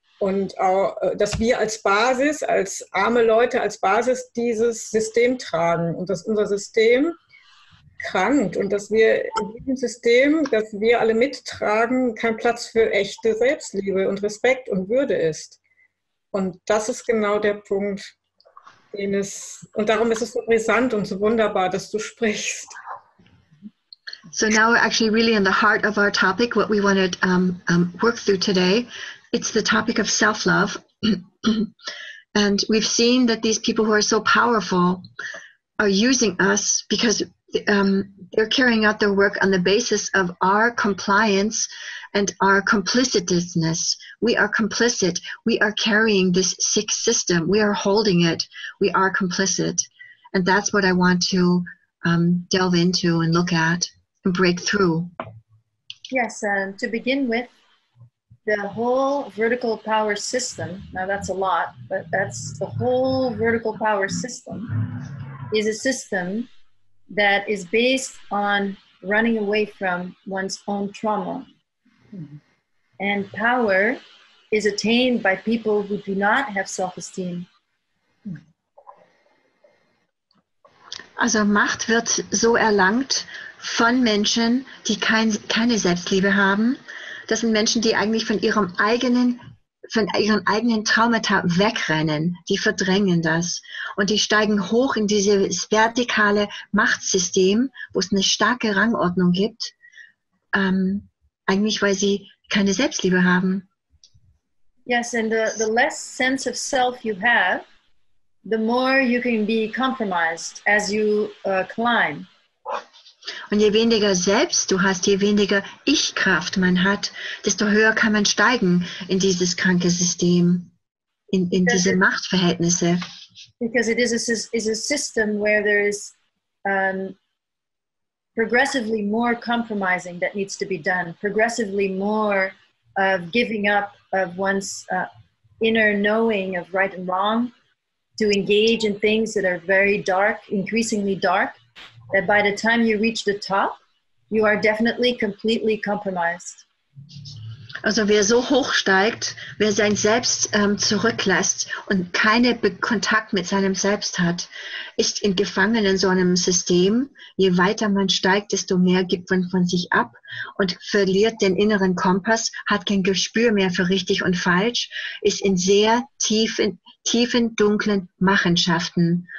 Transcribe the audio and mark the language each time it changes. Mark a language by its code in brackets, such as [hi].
[de] Und auch, dass wir als Basis, als arme Leute, als Basis dieses System tragen und dass unser System krankt und dass wir in diesem System, das wir alle mittragen, kein Platz für echte Selbstliebe und Respekt und Würde ist. Und das ist genau der Punkt, den es, und darum ist es so brisant und so wunderbar, dass du sprichst. [en] So now we're actually really in the heart of our topic, what we wanted to work through today. It's the topic of self-love. And we've seen that these people who are so powerful are using us because they're carrying out their work on the basis of our compliance and our complicitousness. We are complicit. We are carrying this sick system. We are holding it. We are complicit. And that's what I want to delve into and look at and break through. Yes, to begin with, the whole vertical power system, now that's a lot, but that's the whole vertical power system, is a system that is based on running away from one's own trauma. Mm-hmm. And power is attained by people who do not have self-esteem. [de] Also Macht wird so erlangt von Menschen, die keine Selbstliebe haben. Das sind Menschen, die eigentlich von ihren eigenen Traumata wegrennen. Die verdrängen das. Und die steigen hoch in dieses vertikale Machtsystem, wo es eine starke Rangordnung gibt. Eigentlich, weil sie keine Selbstliebe haben. [en] Yes, and the less sense of self you have, the more you can be compromised as you climb. [de] Und je weniger Selbst du hast, je weniger Ich-Kraft man hat, desto höher kann man steigen in dieses kranke System, in diese Machtverhältnisse. [en] Because it is a system where there is progressively more compromising that needs to be done, progressively more of giving up of one's inner knowing of right and wrong, to engage in things that are very dark, increasingly dark. That by the time you reach the top, you are definitely completely compromised. [de] Also wer so hoch steigt, wer sein Selbst zurücklässt und keine Kontakt mit seinem Selbst hat, ist in Gefangenen in so einem System. Je weiter man steigt, desto mehr gibt man von sich ab und verliert den inneren Kompass, hat kein Gespür mehr für richtig und falsch, ist in sehr tiefen, dunklen Machenschaften.